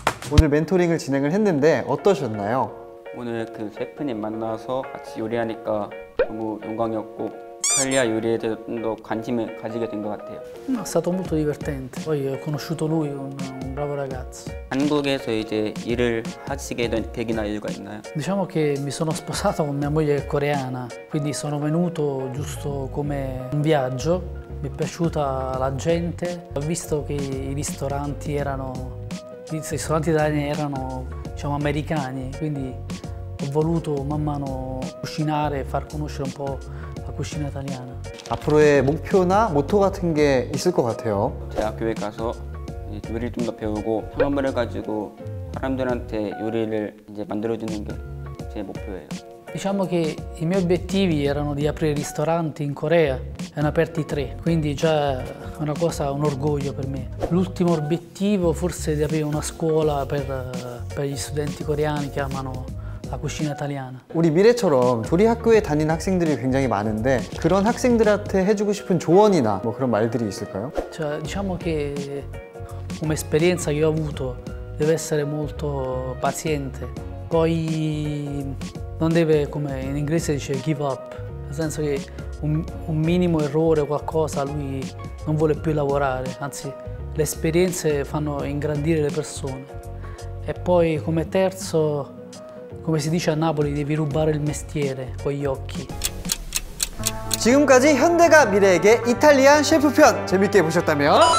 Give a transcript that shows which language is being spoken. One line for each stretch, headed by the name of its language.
Italian: Oggi mentoring il
Korean: 진행을 했는데 어떠셨나요? 오늘 그 셰프님 만나서 같이 요리하니까 너무 영광이었고 이탈리아 요리에 좀더 관심을 가지게 된것 같아요.
Italian: È stato molto divertente. Poi ho conosciuto lui, un bravo ragazzo.
Korean: 한국에서 이제 일을 하시게 된 계기나 이유가 있나요?
Italian: Diciamo che mi sono sposato con mia moglie coreana, quindi sono venuto giusto come un viaggio. Mi è piaciuta la gente. Ho visto che i ristoranti italiani erano, diciamo, americani, quindi ho voluto man mano cucinare e far conoscere un po' cucina italiana.
Korean: 앞으로의 목표나 모토 같은 게 있을 것 같아요. 대학교에 가서 요리를 좀 더 배우고 경험을 가지고 사람들한테 요리를 이제 만들어주는 게 제 목표예요.
Italian: Diciamo che i miei obiettivi erano di aprire ristoranti in Corea. Erano aperti 3, quindi già è una cosa, un orgoglio per me. L'ultimo obiettivo forse è di aprire una scuola per gli studenti coreani che amano la cucina italiana.
Korean: 우리 미래처럼 조리 학교에 다니는 학생들이 굉장히 많은데 그런 학생들한테 해주고 싶은 조언이나 뭐 그런 말들이 있을까요?
Italian: Cioè, diciamo che come esperienza che ho avuto deve essere molto paziente. Poi non deve, come in inglese dice,
English: give up.
Italian: Nel senso che un minimo errore o qualcosa lui non vuole più lavorare. Anzi, le esperienze fanno ingrandire le persone. E poi come terzo, come si dice a Napoli, devi rubare il mestiere con gli occhi.
Korean: 지금까지 현대가 미래에게 이탈리안 셰프편 재밌게 보셨다면